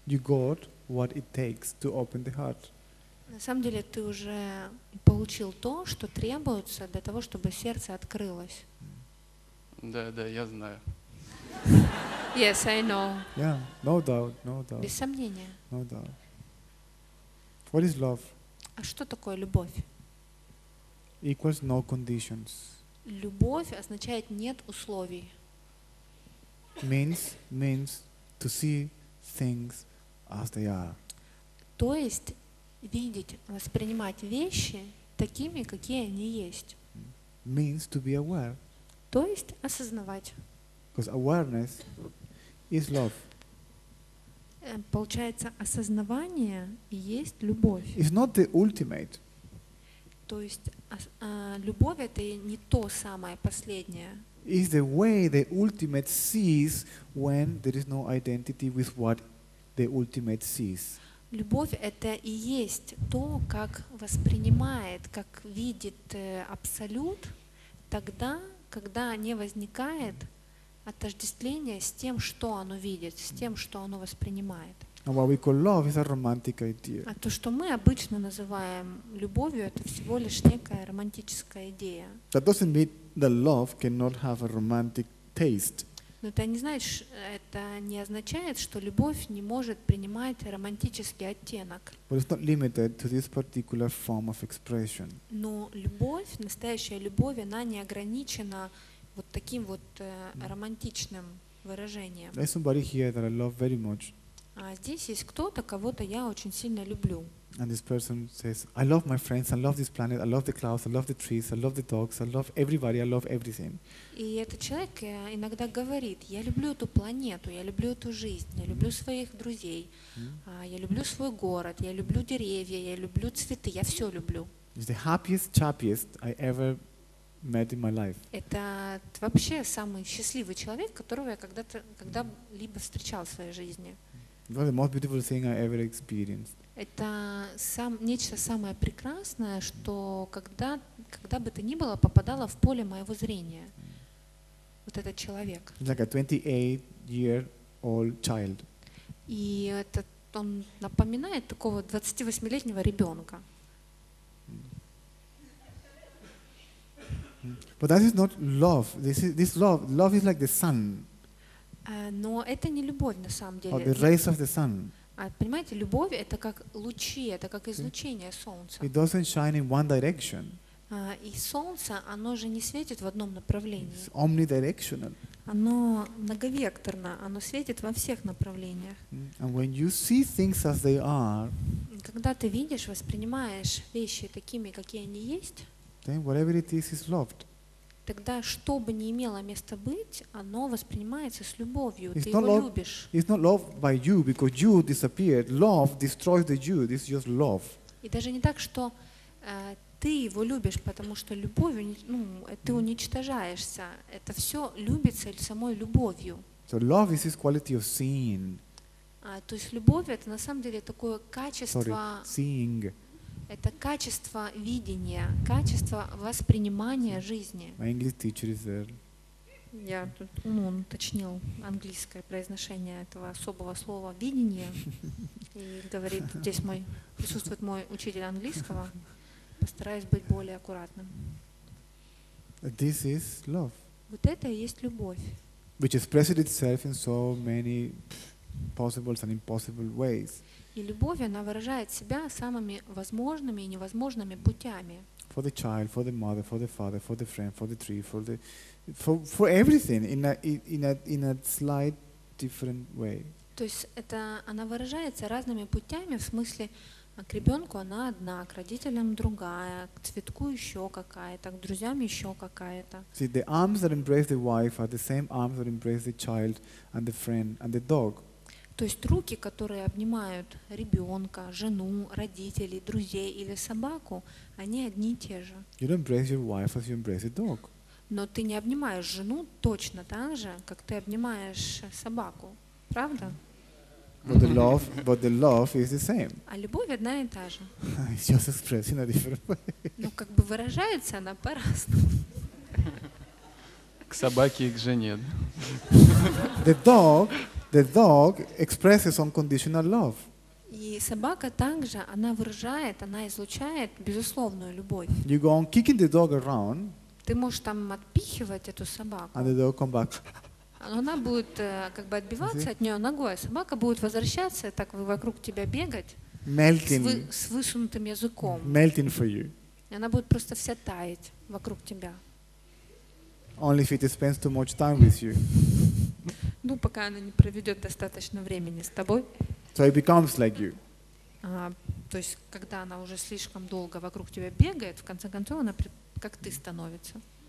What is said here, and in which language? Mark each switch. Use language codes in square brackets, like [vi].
[en] You got what it takes to open the heart. [ru] На самом деле ты уже получил то, что требуется для того, чтобы сердце открылось. Да, да, я знаю. [en] Yes, I know. Yeah, no doubt, no doubt. [ru] Без сомнения. [en] No doubt. What is love? [ru] А что такое любовь? [en] Equals no conditions. [ru] Любовь означает нет условий. [en] Means to see things as they are. [ru] То есть видеть, воспринимать вещи такими, какие они есть. [en] Means to be aware. [ru] То есть осознавать. [en] Because awareness is love. [ru] Получается, осознавание и есть любовь. [en] It's not the ultimate. [ru] То есть любовь — это не то самое последнее. [en] It's the way the ultimate sees when there is no identity with what the ultimate sees. [ru] Любовь — это и есть то, как воспринимает, как видит абсолют тогда, когда не возникает отождествление с тем, что оно видит, с тем, что оно воспринимает. [en] And what we call love is a romantic idea. [ru] А то, что мы обычно называем любовью, это всего лишь некая романтическая идея. [en] That doesn't mean that love cannot have a romantic taste. [ru] Но это не значит, это не означает, что любовь не может принимать романтический оттенок. [en] But it's not limited to this particular form of expression. [ru] Но любовь, настоящая любовь, она не ограничена вот таким вот романтичным выражением. [en] There's somebody here that I love very much. [ru] А здесь есть кто-то, кого-то я очень сильно люблю. [en] And this person says, I love my friends, I love this planet, I love the clouds, I love the trees, I love the dogs, I love everybody, I love everything. [ru] И этот человек иногда говорит, я люблю эту планету, я люблю эту жизнь, я люблю своих друзей, я люблю свой город, я люблю деревья, я люблю цветы, я все люблю. [en] It's the happiest, happiest I ever met in my life. [ru] Это вообще самый счастливый человек, которого я когда-либо встречал в своей жизни. [en] Well, the most beautiful thing I ever experienced. [ru] Это нечто самое прекрасное, что когда бы то ни было попадало в поле моего зрения. Вот этот человек. [en] Like a 28-year-old child. [ru] И он напоминает такого 28-летнего ребенка. [en] But that is not love. This love is like the sun. [ru] Но это не любовь на самом деле. [en] Or the rays of the sun. [ru] Понимаете, любовь — это как лучи, это как излучение солнца. [en] It doesn't shine in one direction. [ru] И солнце, оно же не светит в одном направлении. [en] It's omnidirectional. [ru] Оно многовекторно, оно светит во всех направлениях. [en] And when you see things as they are, [ru] когда ты видишь, воспринимаешь вещи такими, какие они есть, [en] then whatever it is loved. [ru] Тогда, что бы ни имело места быть, оно воспринимается с любовью. [en] It's [ru] ты его [en] love, [ru] любишь. [en] It's not love by you, because you disappeared. Love destroys the you. This is just love. [ru] И даже не так, что ты его любишь, потому что любовью, ну, ты уничтожаешься. Это все любится самой любовью. [en] So love is this quality of seeing. [ru] То есть любовь — это на самом деле такое качество... [en] Sorry, seeing. [ru] Это качество видения, качество воспринимания жизни. [en] My English teacher is there. [ru] Я тут, ну, уточнил английское произношение этого особого слова видение. И говорит, здесь мой присутствует мой учитель английского. Постараюсь быть более аккуратным. [en] This is love. [ru] Вот это и есть любовь. [en] Which expresses itself in so many possible and impossible ways. [ru] И любовь, она выражает себя самыми возможными и невозможными путями. [en] For the child, for the mother, for the father, for the friend, for the tree, for everything in a slight different way. [ru] То есть это она выражается разными путями, в смысле к ребенку она одна, к родителям другая, к цветку еще какая-то, к друзьям еще какая-то. [en] See, the arms that embrace the wife are the same arms that embrace the child and the friend and the dog. [ru] То есть руки, которые обнимают ребенка, жену, родителей, друзей или собаку, они одни и те же. [en] You don't embrace your wife as you embrace a dog. [ru] Но ты не обнимаешь жену точно так же, как ты обнимаешь собаку, правда? [en] But the love is the same. [ru] А любовь одна и та же. [en] It's just expressed in a different way. [ru] Ну, как бы выражается она по-разному. К собаке и к жене. [en] The dog expresses unconditional love. [ru] И собака также, она выражает, она излучает безусловную любовь. [en] You go on kicking the dog around. [ru] Ты можешь там отпихивать эту собаку. [en] And the dog come back. [ru] Она будет как бы отбиваться от нее ногой, а собака будет возвращаться, так вокруг тебя бегать. [en] Melting. [ru] С высунутым языком. [en] Melting for you. [ru] И она будет просто вся таять вокруг тебя. [en] Only if it spends too much time with you. [ru] Ну, пока она не проведет достаточно времени с тобой. [en] So it becomes like you. [ru] То есть, когда она уже слишком долго вокруг тебя бегает, в конце концов она как ты становится.